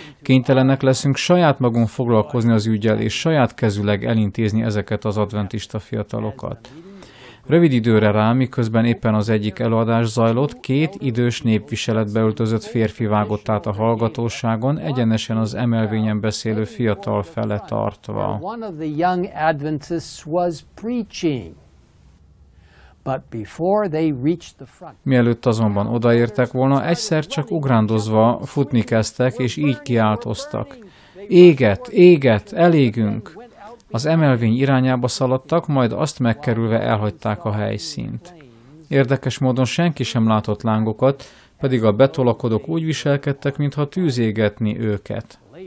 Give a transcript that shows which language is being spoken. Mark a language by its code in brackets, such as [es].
[hu] Kénytelenek leszünk saját magunk foglalkozni az ügyel, és saját kezüleg elintézni ezeket az adventista fiatalokat. Rövid időre rá, miközben éppen az egyik előadás zajlott, két idős népviseletbe öltözött férfi vágott át a hallgatóságon, egyenesen az emelvényen beszélő fiatal fele tartva. [en] One of the young Adventists was preaching. But before they reached the front. [hu] Mielőtt azonban odaértek volna, egyszer csak ugrándozva futni kezdtek, és így kiáltoztak. Éget, éget, elégünk! Az emelvény irányába szaladtak, majd azt megkerülve elhagyták a helyszínt. Érdekes módon senki sem látott lángokat, pedig a betolakodók úgy viselkedtek, mintha tűz égetni őket.